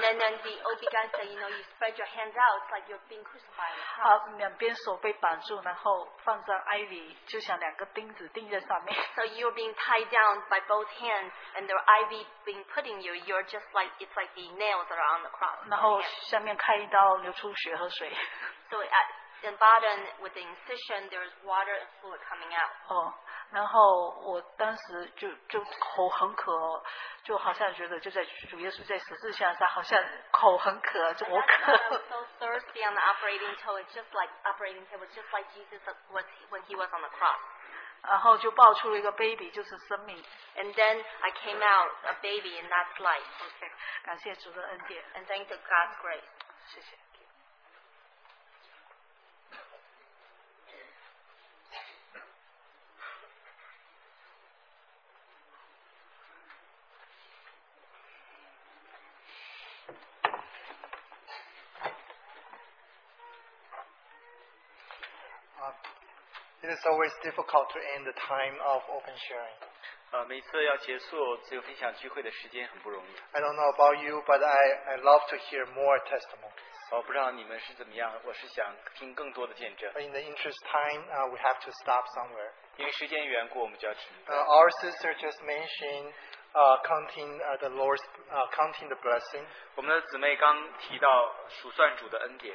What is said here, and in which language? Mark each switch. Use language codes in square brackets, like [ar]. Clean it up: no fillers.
[en] then the OB-GYN said, you know, you spread your hands out like you're being crucified. [zh] 好，两边手被绑住，然后放在 IV， 就像两个钉子钉在上面。 [en] So you're being tied down by both hands, and the IV being put in you. You're just like it's like the nails that are on the cross. [zh] 然后下面开一刀，流出血和水。 [en] So at the bottom with the incision, there's water and fluid coming out. 哦。 [zh] 然后我当时就口很渴，就好像觉得就在主耶稣在十字架上，好像口很渴，就我渴。 [en] So thirsty on the operating table, just like operating table, just like Jesus was when he was on the cross. [zh] 然后就抱出了一个 baby， 就是生命。 [en] And then I came out a baby, and that's life. Okay. [zh] 感谢主的恩典。 [en] And thank the God's grace. [zh] 谢谢。 [en] It is always difficult to end the time of open sharing. [zh] 每次要结束自由分享聚会的时间很不容易。 [en] I don't know about you, but I love to hear more testimonies. [zh] 我不知道你们是怎么样，我是想听更多的见证。 [en] In the interest of time, we have to stop somewhere. [zh] 因为时间缘故，我们就要停。 [en] Our sister just mentioned counting the Lord's counting the blessing. [zh] 我们的姊妹刚提到数算主的恩典。